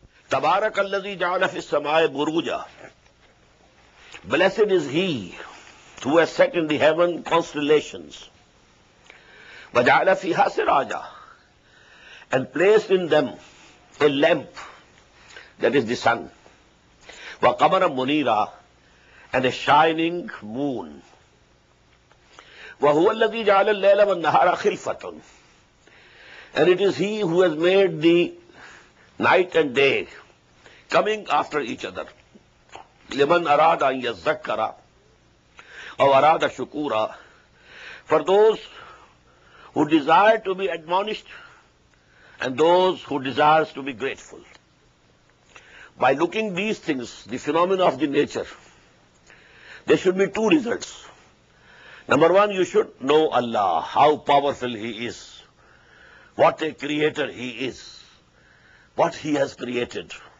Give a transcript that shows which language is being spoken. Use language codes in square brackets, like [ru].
[ar] تبارك الذي جعل في السماء بروجا. [en] Blessed is he who has set in the heaven constellations. [ar] وجعل فيها سراجا. [en] And placed in them a lamp, that is the sun. [ar] وقمرا منيرا. [en] And a shining moon. [ar] وهو الذي جعل الليل والنهار خلفة. [en] And it is he who has made the night and day coming after each other. [ar] لِمَنْ أَرَادَ أَنْ يَذَّكَّرَ أَوْ أَرَادَ شُكُورًا. [en] For those who desire to be admonished and those who desire to be grateful. By looking these things, the phenomena of the nature, there should be two results. Number one, you should know Allah, how powerful He is, what a creator He is, what He has created.